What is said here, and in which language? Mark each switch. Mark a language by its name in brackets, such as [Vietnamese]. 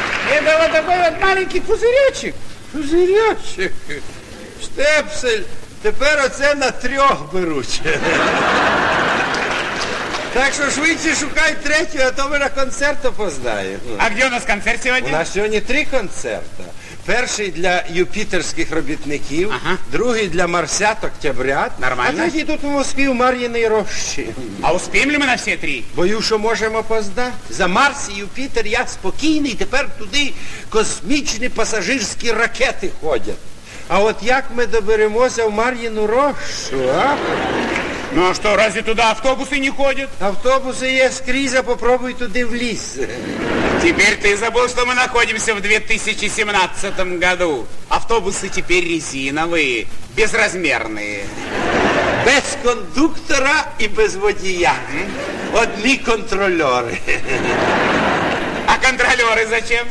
[Russian] Это вот такой вот маленький пузыречек. Пузыречек? [Ukrainian] Штепсель, теперь оце на трех беруть. [Russian] Так что швидше шукай третью, а то мы на концерт опоздаем. А где у нас концерт сегодня? У нас сегодня три концерта. [Ukrainian] Перший для юпітерських робітників, ага. Другий для марсят, октябрят. Нормально. А так ідуть у Москві в Мар'їний рощі. А успім ли ми на всі три? Боюсь, що можемо опоздати. За Марс і Юпітер я спокійний, тепер туди космічні пасажирські ракети ходять. А от як ми доберемося в Мар'їну рощу, а? Ну а що, разве туди автобуси не ходять? Автобуси є скрізь, а попробуй туди влізти. [Russian] Теперь ты забыл, что мы находимся в 2017 году. Автобусы теперь резиновые, безразмерные. Без кондуктора и без водителя. Одни контролеры. А контролеры зачем?